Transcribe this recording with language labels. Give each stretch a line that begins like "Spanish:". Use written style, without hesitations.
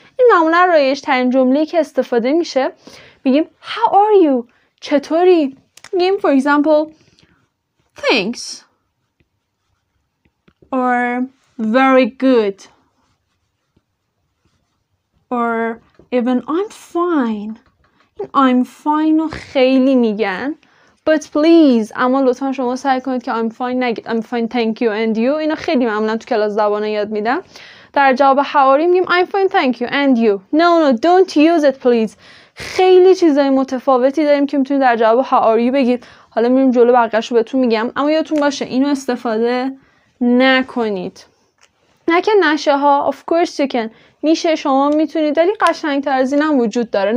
Persian: این معمولا رایج ترین جمله‌ای که استفاده میشه. میگیم
English: How are you?
Persian: چطوری؟ میگیم
English: For example, Thanks. Or Very good. Or Even I'm fine. I'm fine
Persian: رو خیلی میگن.
English: But please,
Persian: اما لطفا شما سعی کنید که
English: I'm fine
Persian: نگید.
English: I'm fine, thank you, and you.
Persian: اینو خیلی معمولا تو کلاس زبان یاد میدم. در جواب
English: how are you
Persian: میگیم
English: I'm fine, thank you, and you. No, don't use it, please.
Persian: خیلی چیزای متفاوتی داریم که میتونید در جواب
English: how are you
Persian: بگید. حالا میریم جلو بقیش رو بهتون میگم. اما یادتون باشه اینو استفاده نکنید. نه که نشه ها.
English: Of course you can.
Persian: میشه شما میتونید. ولی قشنگ تر از اینم وجود داره.